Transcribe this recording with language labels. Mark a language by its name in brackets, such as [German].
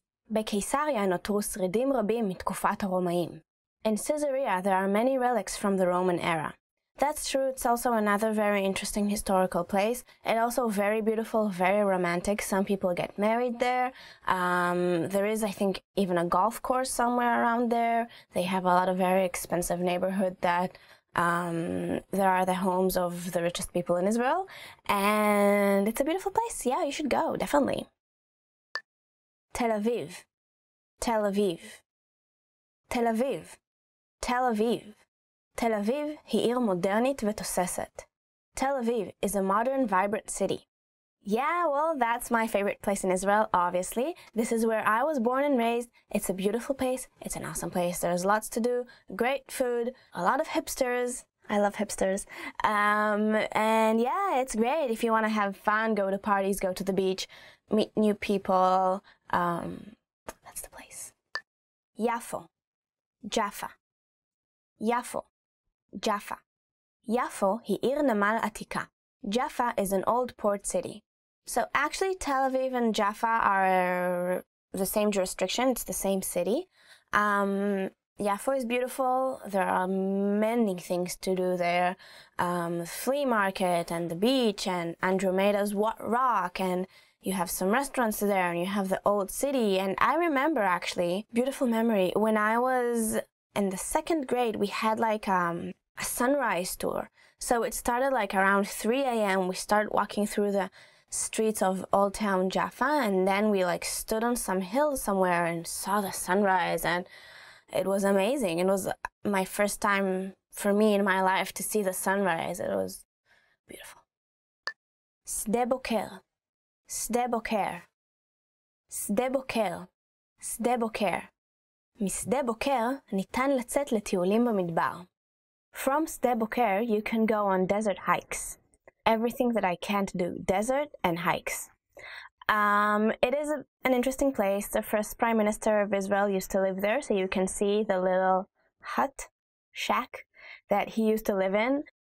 [Hebrew] בקיסריה נותרו שרידים רבים מתקופת הרומאים. [English] In Caesarea, there are many relics from the Roman era. That's true, it's also another very interesting historical place, and also very beautiful, very romantic. Some people get married there. There is, I think, even a golf course somewhere around there. They have a lot of very expensive neighborhood that there are the homes of the richest people in Israel. And it's a beautiful place. Yeah, you should go, definitely. Tel Aviv. Tel Aviv. Tel Aviv. Tel Aviv. [Hebrew] Tel Aviv היא עיר מודרנית ותוססת. [English] Tel Aviv is a modern, vibrant city. Yeah, well, that's my favorite place in Israel, obviously. This is where I was born and raised. It's a beautiful place. It's an awesome place. There's lots to do, great food, a lot of hipsters. I love hipsters. And yeah, it's great. If you want to have fun, go to parties, go to the beach, meet new people. That's the place. Yafo. Jaffa. Yafo. Jaffa. [Hebrew] Yafo היא עיר נמל עתיקה. [English] Jaffa is an old port city. So actually Tel Aviv and Jaffa are the same jurisdiction, it's the same city. Yafo is beautiful, there are many things to do there. Flea market and the beach and Andromeda's rock, and you have some restaurants there and you have the old city. And I remember actually, beautiful memory, when I was in the second grade, we had like a sunrise tour. So it started like around 3 a.m. We started walking through the streets of Old Town Jaffa, and then we like stood on some hill somewhere and saw the sunrise, and it was amazing. It was my first time for me in my life to see the sunrise. It was beautiful. Sde Boker. Sde Boker. Sde Boker. Sde Boker. [Hebrew] משדה בוקר ניתן לצאת לטיולים במדבר. [English] From Sde Boker, you can go on desert hikes. Everything that I can't do, desert and hikes. It is an interesting place. The first prime minister of Israel used to live there, so you can see the little hut, shack, that he used to live in.